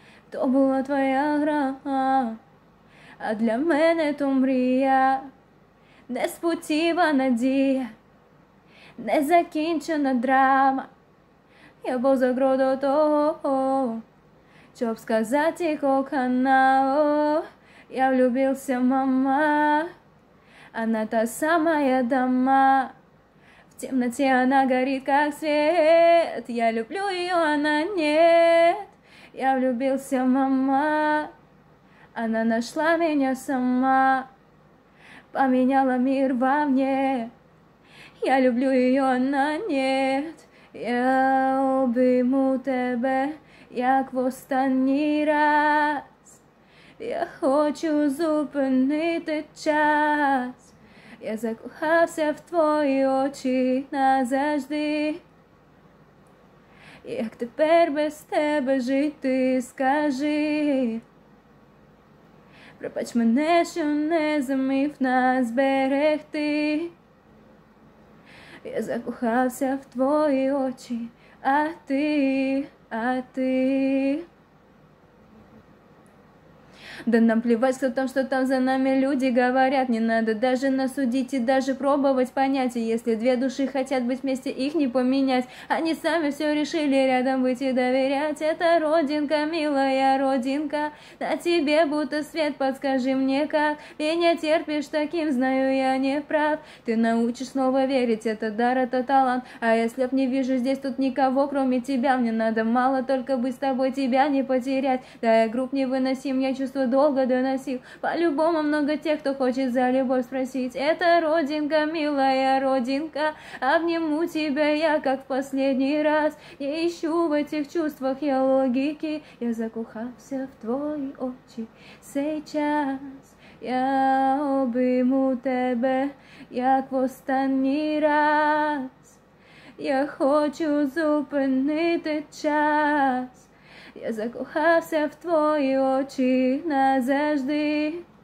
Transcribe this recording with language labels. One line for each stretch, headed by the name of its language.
Ukrainian: То була твоя гра, а для мене то мрія. Неспутіва надія, незакінчена драма. Я був загрот до того, щоб сказати кохана.
Russian: Я влюбився, мама, она та самая дама. В темноте она горит, как свет. Я люблю ее, она нет. Я влюбился, мама, она нашла меня сама. Поменяла мир во мне. Я люблю ее, она нет.
Ukrainian: Я обійму тебе, як в останній раз. Я хочу зупинити час. Я закохався в твої очі назавжди. Як тепер без тебе жити, скажи? Пробач мене, що не зумів нас берегти. Я закохався в твої очі, а ти, а ти.
Russian: Да нам плевать, кто там, что там за нами люди говорят. Не надо даже нас судить и даже пробовать понять. И если две души хотят быть вместе, их не поменять. Они сами все решили рядом быть и доверять. Это родинка, милая родинка, на тебе будто свет, подскажи мне как. И не терпишь таким, знаю я не прав. Ты научишь снова верить, это дар, это талант. А если б не вижу здесь тут никого, кроме тебя. Мне надо мало только быть с тобой, тебя не потерять. Да я груб невыносим, я чувствую. Долго доносил, по-любому много тех, кто хочет за любовь спросить. Это родинка, милая родинка, обниму тебя я, как в последний раз. Не ищу в этих чувствах я логики. Я закохався в твои очи сейчас.
Ukrainian: Я обійму тебе, як в останній раз. Я хочу зупинити час. Я закохався в твої очі назавжди.